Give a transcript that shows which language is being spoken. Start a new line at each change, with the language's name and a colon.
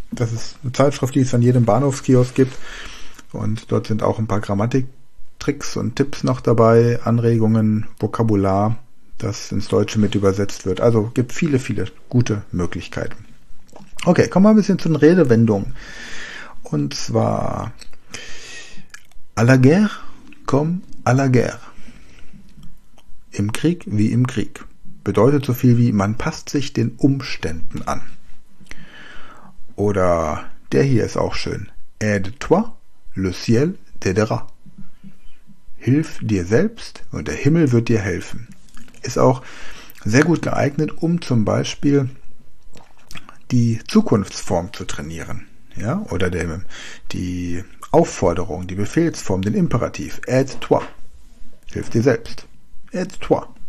German: Das ist eine Zeitschrift, die es an jedem Bahnhofskiosk gibt. Und dort sind auch ein paar Grammatiktricks und Tipps noch dabei, Anregungen, Vokabular, das ins Deutsche mit übersetzt wird. Also gibt viele, viele gute Möglichkeiten. Okay, kommen wir ein bisschen zu den Redewendungen. Und zwar
French: à la guerre comme à la guerre.
German: Im Krieg wie im Krieg. Bedeutet so viel wie man passt sich den Umständen an. Oder der hier ist auch schön.
French: Aide-toi, le ciel t'aidera.
German: Hilf dir selbst und der Himmel wird dir helfen. Ist auch sehr gut geeignet, um zum Beispiel die Zukunftsform zu trainieren. Ja? Oder die Aufforderung, die Befehlsform, den Imperativ.
French: Aide toi.
German: Hilf dir selbst. Aide toi.